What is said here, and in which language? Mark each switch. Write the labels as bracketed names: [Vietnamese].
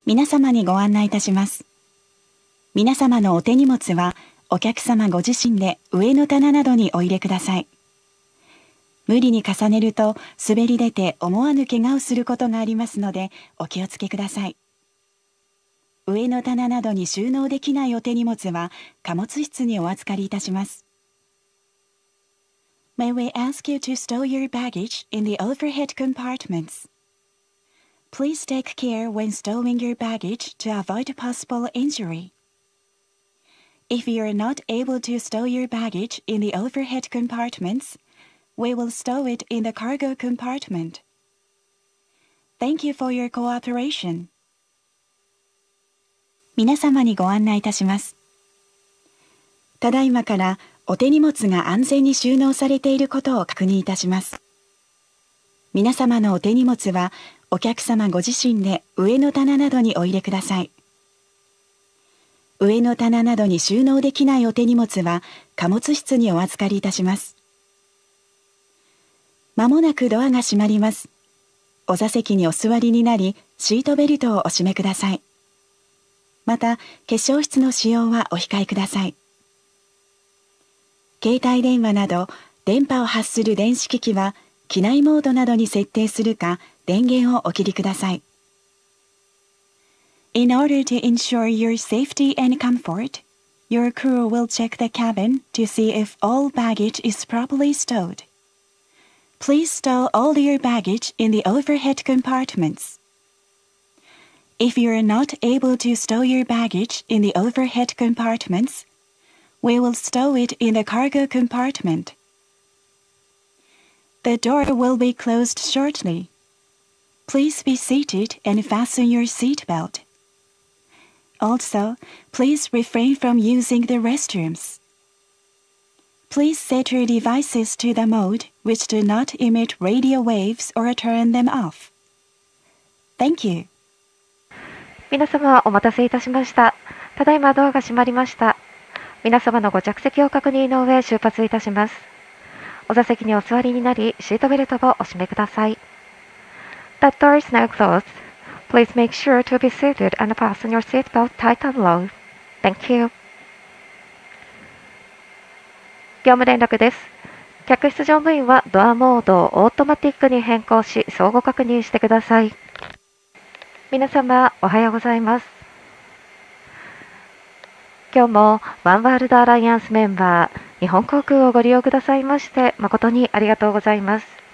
[Japanese] 皆様にご案内いたします。皆様のお手荷物はお客様ご自身で上の棚などにお入れください。無理に重ねると滑り出て思わぬ怪我をすることがありますのでお気をつけください。上の棚などに収納できないお手荷物は貨物室にお預かりいたします。 [English] May we ask you to stow your baggage in the overhead compartments. Please take care when stowing your baggage to avoid possible injury. If you are not able to stow your baggage in the overhead compartments, we will stow it in the cargo compartment. Thank you for your cooperation. [Japanese] 皆様にご案内いたします。ただいまからお手荷物が安全に収納されていることを確認いたします。皆様のお手荷物はお客様ご自身で上の棚などにお入れください。上の棚などに収納できないお手荷物は貨物室にお預かりいたします。まもなくドアが閉まります。お座席にお座りになり、シートベルトをお締めください。また、化粧室の使用はお控えください。携帯電話など、電波を発する電子機器は、機内モードなどに設定するか、電源をお切りください。 [English] In order to ensure your safety and comfort, your crew will check the cabin to see if all baggage is properly stowed. Please stow all your baggage in the overhead compartments. If you are not able to stow your baggage in the overhead compartments,We will stow it in the cargo compartment. The door will be closed shortly. Please be seated and fasten your seat belt. Also, please refrain from using the restrooms. Please set your devices to the mode which do not emit radio waves or turn them off. Thank you. [Japanese] 皆様お待たせいたしました。ただいまドアが閉まりました。皆様のご着席を確認の上、出発いたします。お座席にお座りになり、シートベルトをお締めください。 [English] The door is now closed. Please make sure to be seated and fasten your seat belt tight and low. Thank you. [Japanese] 業務連絡です。客室乗務員はドアモードをオートマティックに変更し、相互確認してください。皆様、おはようございます。今日もワンワールドアライアンスメンバー日本航空をご利用くださいまして誠にありがとうございます。